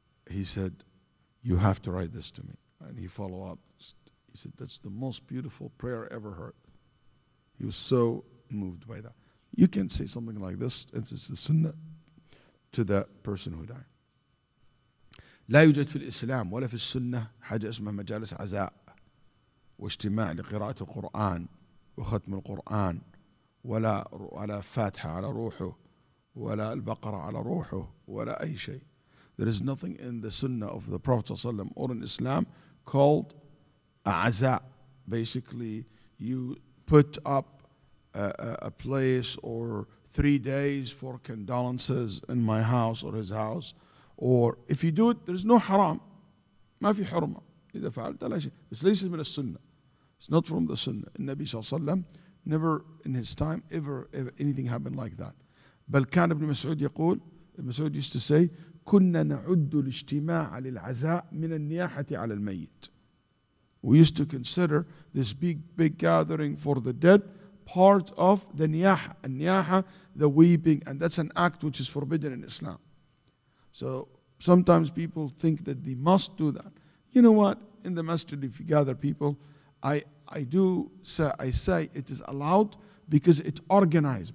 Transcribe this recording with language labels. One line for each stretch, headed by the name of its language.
English: He said, you have to write this to me. And he followed up. He said, that's the most beautiful prayer I ever heard. He was so moved by that. You can say something like this, it is the sunnah, to the person who died.
Arabic: لا يوجد في الإسلام ولا في السنة حاجة اسمها مجالس عزاء واجتماع لقراءة القرآن وختم القرآن ولا فاتحة على روحه ولا البقرة على روحه ولا أي شيء.
English: There is nothing in the sunnah of the Prophet ﷺ or in Islam called عزاء. Basically, you put up a place or 3 days for condolences in my house or his house, or if you do it, there's no haram.
Arabic: ما في حرمة إذا فعلت لا شيء.
English: This is not from the sunnah. It's not from the sunnah. The Nabi صلى الله عليه وسلم never in his time ever anything happened like that.
Arabic: بل كان ابن مسعود يقول,
English: Mas'ud used to say,
Arabic: كنا نعد الاجتماع للعزاء من النياحة على الميت.
English: We used to consider this big gathering for the dead part of the niyaha, niyaha, the weeping, and that's an act which is forbidden in Islam. So sometimes people think that they must do that. You know what? In the masjid, if you gather people, I say it is allowed because it's organized.